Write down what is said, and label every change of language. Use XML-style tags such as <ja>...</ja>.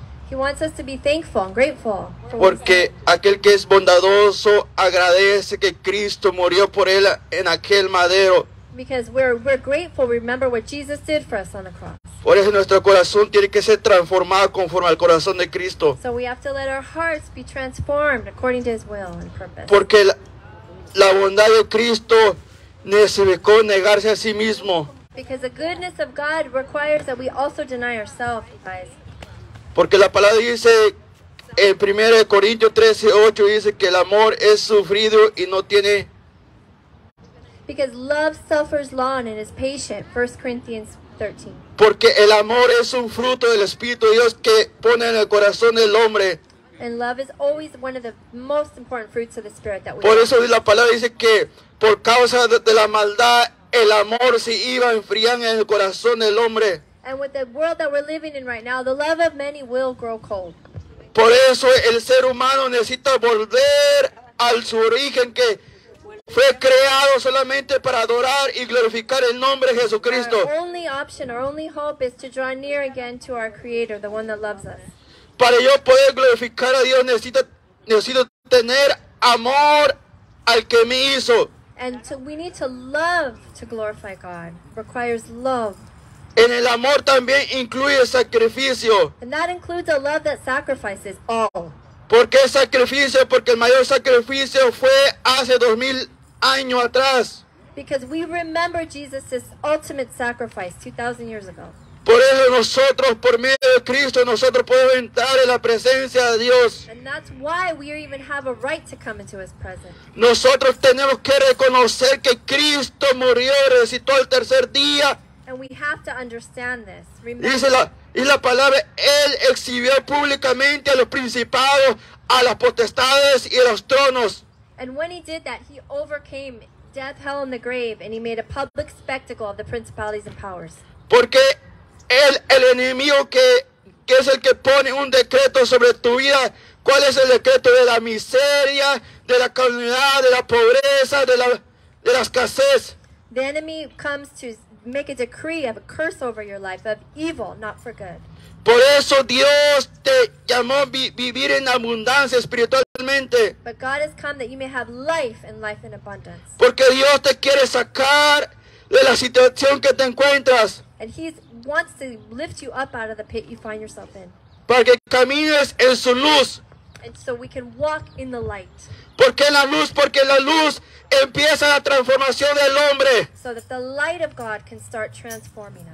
<en>He wants us to be thankful and grateful.</en> <es>Porque aquel que es bondadoso agradece que Cristo murió por él en aquel madero.</es> <en>Because we're grateful, remember what Jesus did for us on the cross.</en> <es>Por eso nuestro corazón tiene que ser transformado conforme al corazón de Cristo.</es> <en>So we have to let our hearts be transformed according to his will and purpose.</en> <es>Porque la bondad de Cristo necesitó negarse a sí mismo.</es> <en>Because the goodness of God requires that we also deny ourselves, guys.</en> <es>Porque la palabra dice en 1 Corintios 13, 8, dice que el amor es sufrido y no tiene.</es> <en>Because love suffers long and is patient, 1 Corinthians 13.</en> <es>Porque el amor es un fruto del Espíritu de Dios que pone en el corazón del hombre.</es> <en>And love is always one of the most important fruits of the Spirit that we</en> <es>por</es> <en>have.</en> <es>Por eso la palabra dice que por causa de la maldad, el amor se iba enfriando en el corazón del hombre.</es> <en>And with the world that we're living in right now, the love of many will grow cold.</en> <es>Por eso el ser humano necesita volver al su origen que fue creado solamente para adorar y glorificar el nombre de Jesucristo.</es> <en>Our only option, our only hope is to draw near again to our Creator, the one that loves us.</en> <es>Para yo poder glorificar a Dios necesito tener amor al que me hizo.</es> <en>And so we need to love to glorify God. It requires love.</en> <es>En el amor también incluye sacrificio.</es> <en>And that includes a love that sacrifices all.</en> <es>¿Por qué sacrificio? Porque el mayor sacrificio fue hace 2,000 años atrás.</es> <en>Because we remember Jesus' ultimate sacrifice 2,000 years ago.</en> <es>Por eso nosotros, por medio de Cristo, nosotros podemos entrar en la presencia de Dios.</es> <en>And that's why we even have a right to come into his presence.</en> <es>Nosotros tenemos que reconocer que Cristo murió y resucitó el tercer día.</es> <en>And we have to understand this.</en> <es>Dice la palabra, Él exhibió públicamente a los principados, a las potestades y a los tronos.</es> <en>And when he did that, he overcame death, hell, and the grave, and he made a public spectacle of the principalities and powers.</en> <es>Porque el enemigo que es el que pone un decreto sobre tu vida, ¿cuál es el decreto? De la miseria, de la calamidad, de la pobreza, de la escasez.</es> <en>The enemy comes to make a decree of a curse over your life of evil, not for good.</en> <es>Por eso Dios te llamó vivir en abundancia espiritualmente.</es> <en>But God has come that you may have life and life in abundance.</en> <es>Porque Dios te quiere sacar de la situación que te encuentras.</es> <en>And he wants to lift you up out of the pit you find yourself in.</en> <es>Para que camines en su luz.</es> <en>And so we can walk in the light.</en> <es>¿Por qué la luz? Porque la luz empieza la transformación del hombre.</es> <en>So that the light of God can start transforming us.</en>